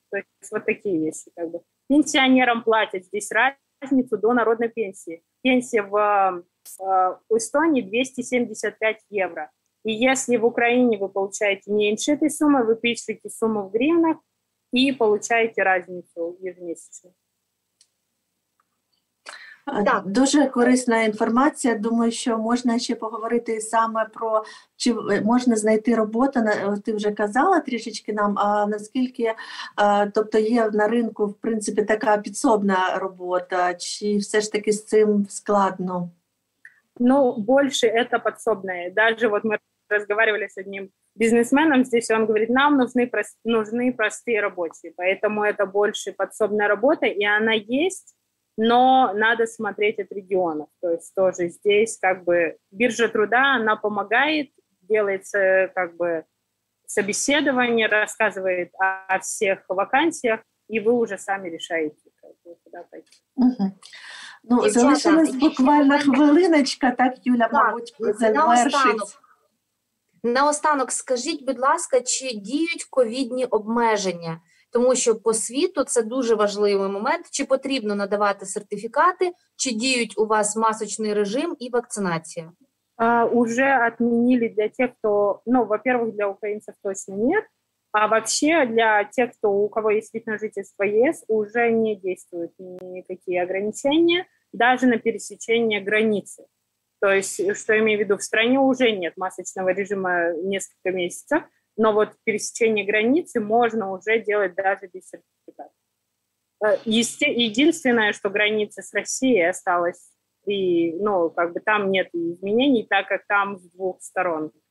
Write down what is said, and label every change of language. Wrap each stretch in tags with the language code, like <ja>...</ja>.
<ru>То есть вот такие вещи, как бы. Пенсионерам платят. Здесь разницу до народной пенсии. Пенсия в Эстонии 275 евро. И если в Украине вы получаете меньше этой суммы, вы пишете сумму в гривнах и получаете разницу ежемесячно.</ru> <uk>Так, дуже корисна інформація. Думаю, що можна ще поговорити саме про, чи можна знайти роботу. Ти вже казала трішечки нам, а наскільки, тобто є на ринку, в принципі, така підсобна робота, чи все ж таки з цим складно? Ну, більше це підсобне. Навіть от ми розмовляли з одним бізнесменом, здесь він говорить,</uk> <ru>нам нужны</ru> <uk>прості роботи, поэтому це більше підсобна робота, і вона є.</uk> <ru>Но надо смотреть от регионов. То есть тоже здесь как бы биржа труда, она помогает, делается как бы собеседование, рассказывает о всех вакансиях, и вы уже сами решаете, как бы, куда пойти.</ru> <uk>Ну, залишилась буквально хвилиночка, так, Юля, мабуть, завершить. Наостанок, скажіть, будь ласка, чи діють ковідні обмеження? Тому що по світу це дуже важливий момент. Чи потрібно надавати сертифікати, чи діють у вас масочний режим і вакцинація? Уже відмінили для тих, хто, ну,</uk> <ru>во-первых,</ru> <uk>для українців точно ні, а вообще для тих, хто у кого є</uk> <ru>вид на жительство</ru> <uk>ЄС, уже не діють ніякі обмеження, навіть на пересечення границі.</uk> <ru>То есть,</ru> <uk>що я маю в виду,</uk> <ru>в стране уже нет масочного режима несколько місяців. Но вот пересечение границы можно уже делать даже без сертификата. Единственное, что граница с Россией осталась, и, ну, как бы там нет изменений, так как там с двух сторон.</ru>